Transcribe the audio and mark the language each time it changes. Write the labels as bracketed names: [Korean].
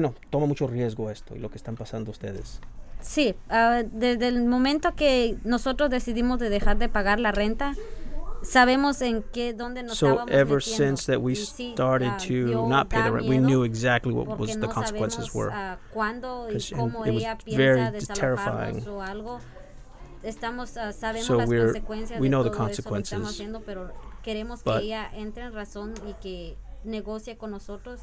[Spanish] Toma mucho riesgo esto y lo que están pasando ustedes. Sí, desde el momento que nosotros decidimos de dejar de pagar la renta, sabemos en qué, dónde nos estábamos metiendo. [English] So ever since that we started to not pay the rent, we knew exactly what was the consequences were. [Spanish] Cuando y cómo ella piensa desalojarnos o algo. Sabemos las consecuencias de todo eso que estamos haciendo, pero queremos que ella entre en razón y que negocie con nosotros.